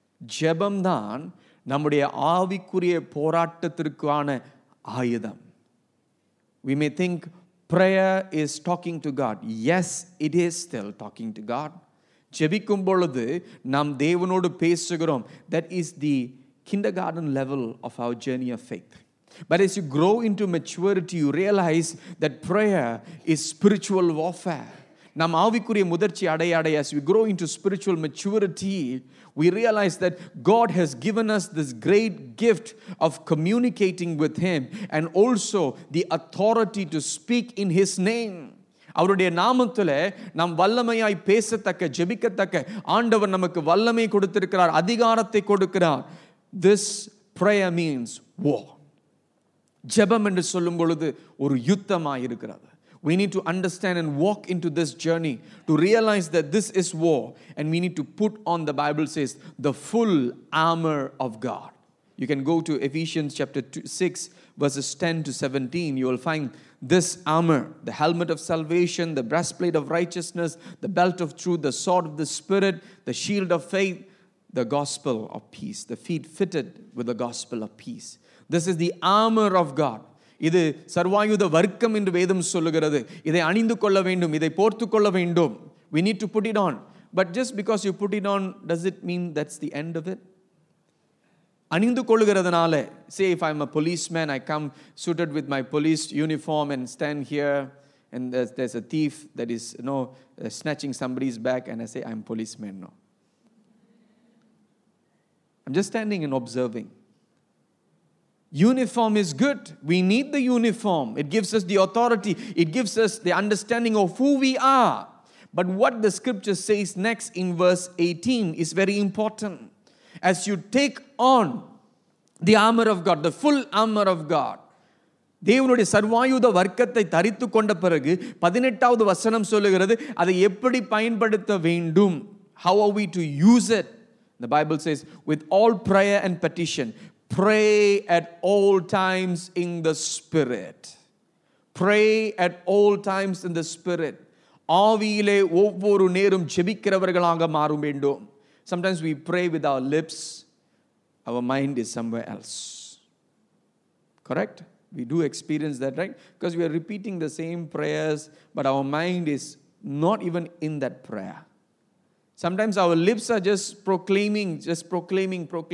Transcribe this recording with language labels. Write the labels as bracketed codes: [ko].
[ta] ஜெபம் தான் நம்முடைய ஆவிக்குரிய போராட்டத்திற்கான ஆயுதம். [en] We may think prayer is talking to God. Yes, it is still talking to God. [ta] ஜெபிக்கும் பொழுது நாம் தேவனோடு பேசுகிறோம். [en] That is the kindergarten level of our journey of faith. But as you grow into maturity, you realize that prayer is spiritual warfare. [ta] நாம் ஆவிக்குரிய முதிர்ச்சி அடைய அடைய, [en] as we grow into spiritual maturity, we realize that God has given us this great gift of communicating with Him and also the authority to speak in His name. [ta] அவருடைய நாமத்திலே நாம் வல்லமையாய் பேசத்தக்க, ஜெபிக்கத்தக்க ஆண்டவர் நமக்கு வல்லமை கொடுத்திருக்கிறார், அதிகாரத்தை கொடுக்கிறார். [en] This prayer means war. [ta] ஜெபம் என்று சொல்லும் பொழுது ஒரு யுத்தமாய் இருக்கிறது. [en] We need to understand and walk into this journey to realize that this is war, and we need to put on, the Bible says, the full armor of God. You can go to Ephesians chapter 6 verses 10 to 17. You will find this armor, the helmet of salvation, the breastplate of righteousness, the belt of truth, the sword of the Spirit, the shield of faith, the gospel of peace, the feet fitted with the gospel of peace. This is the armor of God. [ta] இது சர்வாயுத வர்க்கம் என்று வேதம் சொல்லுகிறது. இதை அணிந்து கொள்ள வேண்டும், இதை போர்த்து கொள்ள வேண்டும். [en] We need to put it on. But just because you put it on, does it mean that's the end of it? [ta] அணிந்து கொள்ளுகிறதுனால, [en] say if I'm a policeman, I come suited with my police uniform and stand here, and there's a thief that is, you know, snatching somebody's bag, and I say, I'm policeman now. I'm just standing and observing. Uniform is good. We need the uniform. It gives us the authority. It gives us the understanding of who we are. But what the scripture says next in verse 18 is very important. As you take on the armor of God, the full armor of God, [ta] தேவனுடைய சர்வாயுத வர்க்கத்தை தரித்து கொண்ட பிறகு 18வது வசனம் சொல்லுகிறது, அதை எப்படி பயன்படுத்த வேண்டும். [en] How are we to use it? The Bible says, with all prayer and petition, pray at all times in the Spirit. Pray at all times in the Spirit. [ta] ஆவியிலே ஒவ்வொரு நேரம் ஜெபிக்கிறவர்களாக மாற வேண்டும். [en] Sometimes we pray with our lips, our mind is somewhere else. Correct? We do experience that, right? Because we are repeating the same prayers, but our mind is not even in that prayer. Sometimes our lips are just proclaiming.